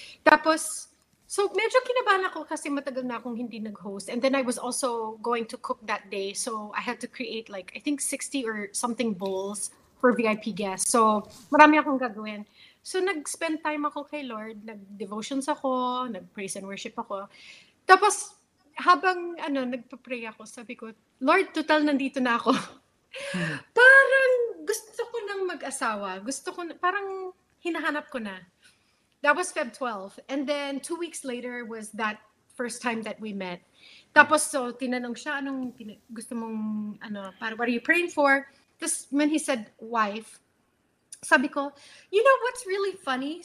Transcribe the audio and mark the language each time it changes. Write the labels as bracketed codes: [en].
[tl] Tapos, so medyo kinabahan ako kasi matagal na akong hindi nag-host. [en] And then I was also going to cook that day. So I had to create like, I think 60 or something bowls for VIP guests. [tl] So marami akong gagawin. So nag-spend time ako kay Lord. Nag-devotions ako. Nag-praise and worship ako. Tapos, habang ano nagpa-pray ako, sabi ko, Lord, total nandito na ako. Parang gusto ko nang mag-asawa. Gusto ko, parang hinahanap ko na. [en] That was Feb 12. And then 2 weeks later was that first time that we met. [tl] Tapos so, tinanong siya, anong gusto mong, ano, para, [en] what are you praying for? Tapos when he said, wife, [tl] sabi ko, [en] you know what's really funny?